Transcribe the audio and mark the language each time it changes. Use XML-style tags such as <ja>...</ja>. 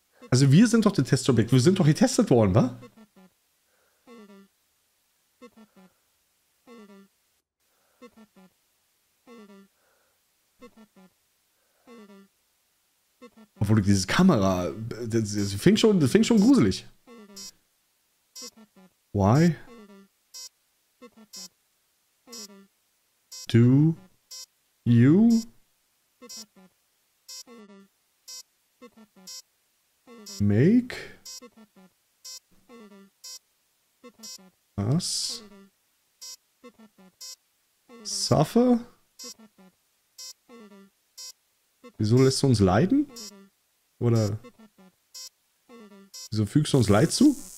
<de>Also wir sind doch der Testobjekt, wir sind doch getestet worden, wa? Obwohl dieses Kamera, das fing schon gruselig.</de> <en>Why do you make us suffer?</en> <de>Wieso lässt du uns leiden? Oder wieso fügst du uns Leid zu?</de>